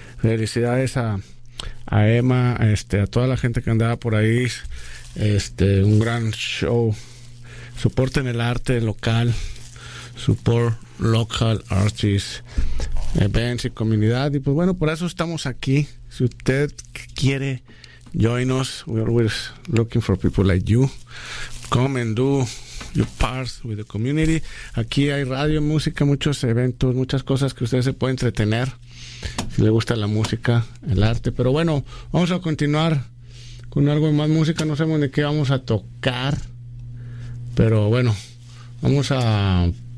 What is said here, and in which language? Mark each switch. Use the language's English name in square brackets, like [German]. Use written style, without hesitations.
[Spanish] Felicidades a Emma, a toda la gente que andaba por ahí, un gran show. Soporten el arte local, [English] support local artists, events [Spanish] y comunidad, y pues bueno, por eso estamos aquí. Si usted quiere [English] join us, we're always looking for people like you. Come and do your part with the community. [Spanish] Aquí hay radio, música, muchos eventos, muchas cosas que ustedes se pueden entretener si le gusta la música, el arte. Pero bueno, vamos a continuar con algo más música. No sabemos de qué vamos a tocar, pero bueno, vamos a.